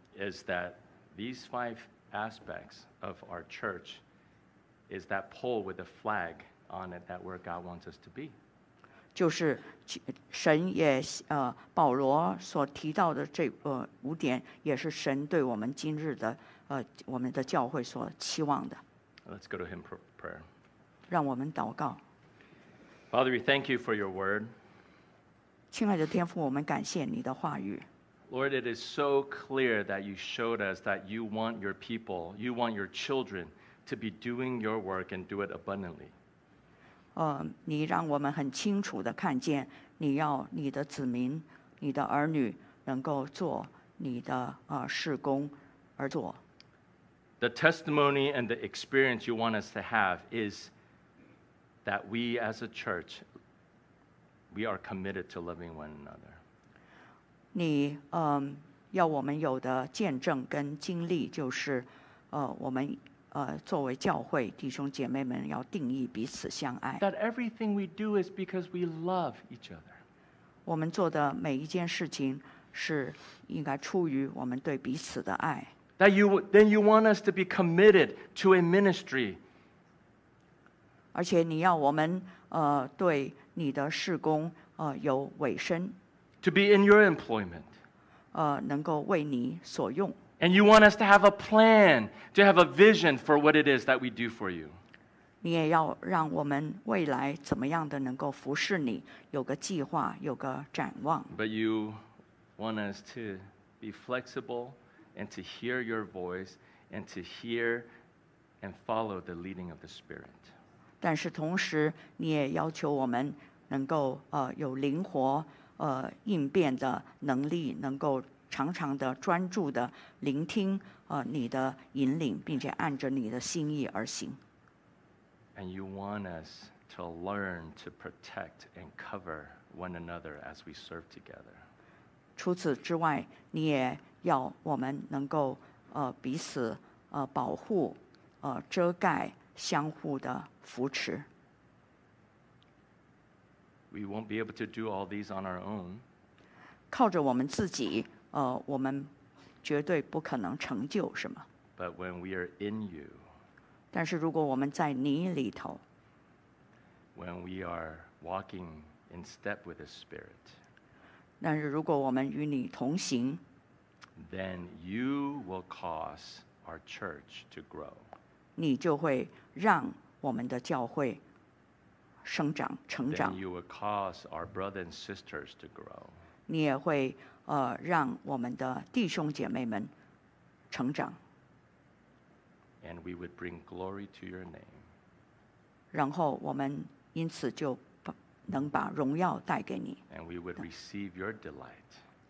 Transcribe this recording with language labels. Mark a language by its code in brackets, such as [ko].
[en] Is that these five aspects of our church is that pole with a flag on it that where God wants us to be？ [zh] 就是神也保罗所提到的这五点，也是神对我们今日的我们的教会所期望的。 [en] Let's go to him prayer. [zh] 让我们祷告。 [en] Father, we thank you for your word. [zh] 亲爱的天父，我们感谢你的话语。 [en] Lord, it is so clear that you showed us that you want your people, you want your children to be doing your work and do it abundantly. [zh] 你让我们很清楚地看见，你要你的子民，你的儿女能够做你的事工而做。 [en] The testimony and the experience you want us to have is that we as a church we are committed to loving one another. [zh] 你要我们有的见证跟经历就是我们作为教会弟兄姐妹们要定义彼此相爱。 [en] That everything we do is because we love each other. [zh] 我们做的每一件事情是应该出于我们对彼此的爱。 [en] That you, then you want us to be committed to a ministry. [zh] 而且你要我们对你的事工有委身。 [en] To be in your employment. [zh] 能够为你所用。 [en] And you want us to have a plan, to have a vision for what it is that we do for you. [zh] 你也要让我们未来怎么样的能够服侍你，有个计划，有个展望。 [en] But you want us to be flexible and to hear your voice and to hear and follow the leading of the Spirit. [zh] 但是同时，你也要求我们能够有灵活应变的能力，能够常常的专注的聆听你的引领，并且按着你的心意而行。 [en] And you want us to learn to protect and cover one another as we serve together. [zh] 除此之外，你也要我们能够彼此保护遮盖相互的扶持。 [en] We won't be able to do all these on our own. [zh] 靠着我们自己我们绝对不可能成就什么。 [en] But when we are in you, [zh] 但是如果我们在你里头， [en] when we are walking in step with the Spirit, [zh] 但是如果我们与你同行， [en] then you will cause our church to grow. [zh] 你就会让我们的教会生长成长。 [en] Then you will cause our brothers and sisters to grow. [zh] 你也会让我们的弟兄姐妹们成长。 [en] And we would bring glory to your name. [zh] 然后我们因此就能把荣耀带给你。 [en] And we would receive your delight.